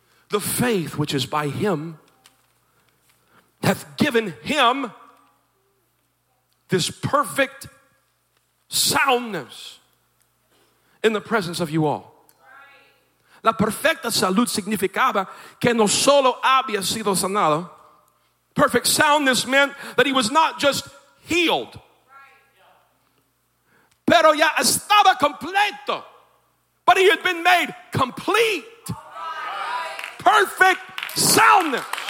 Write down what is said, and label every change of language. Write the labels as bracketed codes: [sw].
[en] The faith which is by him hath given him this perfect soundness in the presence of you all. [es] La perfecta salud significaba que no solo había sido sanado. [en] Perfect soundness meant that he was not just healed. [es] Pero ya estaba completo. [en] But he had been made complete. Perfect soundness.